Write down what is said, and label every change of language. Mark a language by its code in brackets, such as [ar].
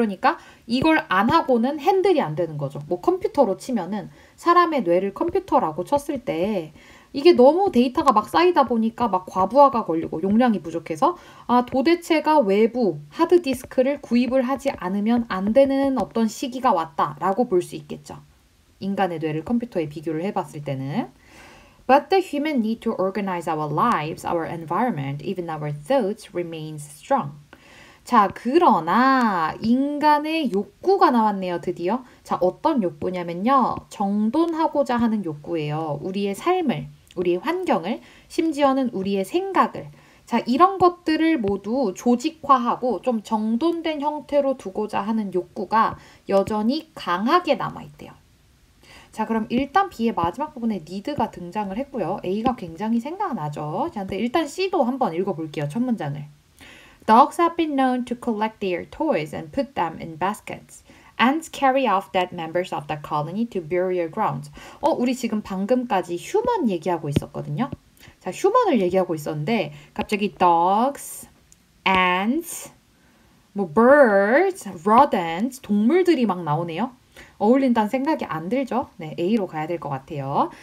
[ko] 그러니까 이걸 안 하고는 핸들이 안 되는 거죠. 뭐 컴퓨터로 치면은 사람의 뇌를 컴퓨터라고 쳤을 때 이게 너무 데이터가 막 쌓이다 보니까 막 과부하가 걸리고 용량이 부족해서 도대체가 외부 하드디스크를 구입을 하지 않으면 안 되는 어떤 시기가 왔다라고 볼수 있겠죠. 인간의 뇌를 컴퓨터에 비교를 해봤을 때는. [en] But the human need to organize our lives, our environment, even our thoughts remains strong. [ko] 자, 그러나 인간의 욕구가 나왔네요, 드디어. 자, 어떤 욕구냐면요. 정돈하고자 하는 욕구예요. 우리의 삶을, 우리의 환경을, 심지어는 우리의 생각을. 자, 이런 것들을 모두 조직화하고 좀 정돈된 형태로 두고자 하는 욕구가 여전히 강하게 남아있대요. 자, 그럼 일단 B의 마지막 부분에 need가 등장을 했고요. A가 굉장히 생각나죠? 자, 근데 일단 C도 한번 읽어볼게요. 첫 문장을. [en] Dogs have been known to collect their toys and put them in baskets. Ants carry off dead members of the colony to burial grounds. [ko] 우리 지금 방금까지 휴먼 얘기하고 있었거든요. 자, 휴먼을 얘기하고 있었는데, 갑자기 dogs, ants, 뭐 birds, rodents, 동물들이 막 나오네요. 어울린다는 생각이 안 들죠? 네, A로 가야 될것 같아요.